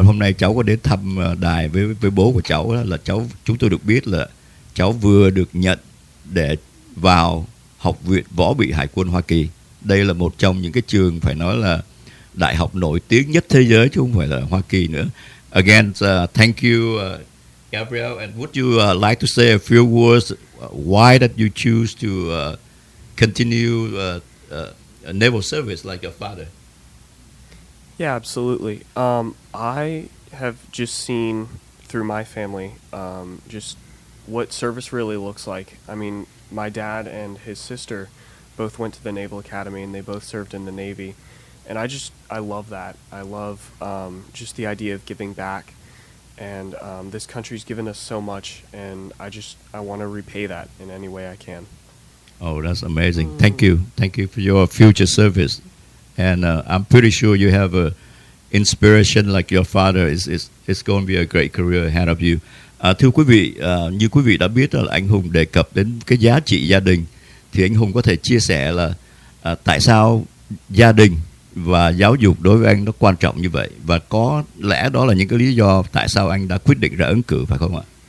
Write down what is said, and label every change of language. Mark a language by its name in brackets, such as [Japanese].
[Vietnamese] Hôm nay cháu có đến thăm đài với bố của cháu đó, là cháu, chúng tôi được biết là cháu vừa được nhận để vào Học viện Võ bị Hải quân Hoa Kỳ. Đây là một trong những cái trường phải nói là đại học nổi tiếng nhất thế giới, chứ không phải là Hoa Kỳ nữa. [English] Again, thank you, Gabriel. And would you like to say a few words why that you choose to continue a naval service like your father? Yeah, absolutely. I have just seen through my family just what service really looks like. I mean, my dad and his sister both went to the Naval Academy, and they both served in the Navy. And I love that. I love just the idea of giving back. And this country's given us so much, and I want to repay that in any way I can. Oh, that's amazing. Mm. Thank you. Thank you for your future service. And I'm pretty sure you have a inspiration like your father. It's going to be a great career ahead of you. [Vietnamese] Thưa quý vị, như quý vị đã biết là anh Hùng đề cập đến cái giá trị gia đình, thì anh Hùng có thể chia sẻ là tại sao gia đình và giáo dục đối với anh nó quan trọng như vậy, và có lẽ đó là những cái lý do tại sao anh đã quyết định ra ứng cử, phải không ạ?